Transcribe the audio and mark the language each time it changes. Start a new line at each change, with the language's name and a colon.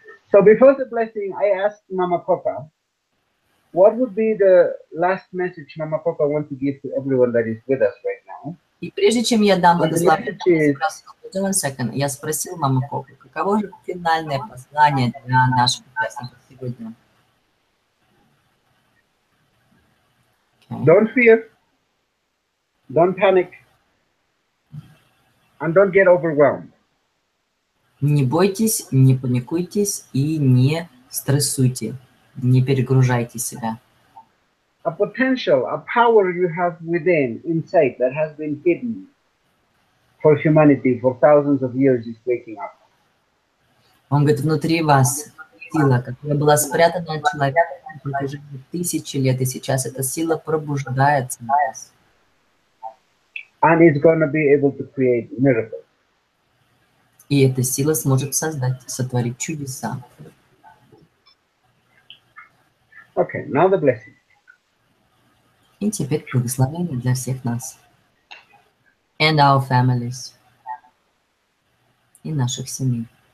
English: So before the blessing, I asked Mama Papa, what would be the last message Mama Papa want to give to everyone that is with us right now?
Russian: И прежде чем я дам благословение, я спросил маму Коку, каково же финальное послание для наших участников сегодня?
English: Okay. Don't fear, don't panic, and don't get overwhelmed.
Russian: Не бойтесь, не паникуйтесь и не стрессуйте, не перегружайте себя.
English: A potential, a power you have within, inside, that has been hidden for humanity for thousands of years is waking up.
Russian: Он говорит, внутри вас сила, которая была спрятана от человека на протяжении тысячи лет, и сейчас эта сила пробуждается в нас.
English: And it's going to be able to create miracles.
Russian: И эта сила сможет создать, сотворить чудеса.
English: Okay, now the blessing.
Russian: И теперь благословение для всех нас.
English: And our families.
Russian: И наших семей.